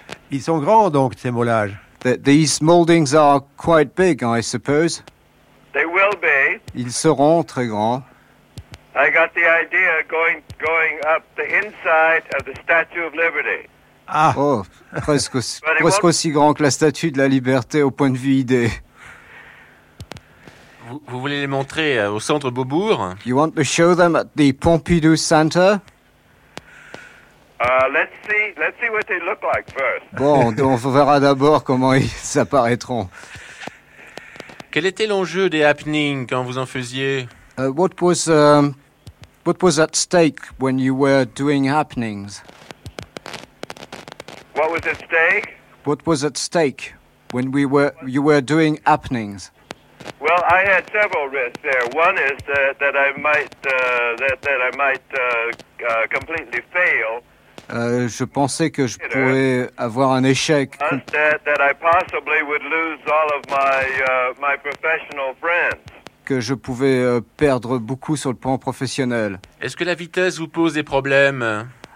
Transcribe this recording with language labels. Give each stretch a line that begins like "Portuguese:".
French: Ils sont grands donc ces moulages.
English: These moldings are quite big, I suppose. They will be.
French: Ils seront très grands.
English: I got the idea going up the inside of the Statue of Liberty.
French: Ah, oh, presque aussi grand que la Statue de la Liberté au point de vue idée. Vous voulez les montrer au centre Beaubourg?
English: You want to show them at the Pompidou Center? Let's see what they look like first.
French: Bon, on verra d'abord comment ils apparaîtront. Quel était l'enjeu des happenings quand vous en faisiez?
English: What was at stake when you were doing happenings? What was at stake? What was at stake when you were doing happenings? Well, I had several risks there. One is that I might completely fail.
French: Je pensais que je pourrais avoir un échec.
English: That I possibly would lose all of my professional friends.
French: Que je pouvais perdre beaucoup sur le plan professionnel. Est-ce que la vitesse vous pose des problèmes?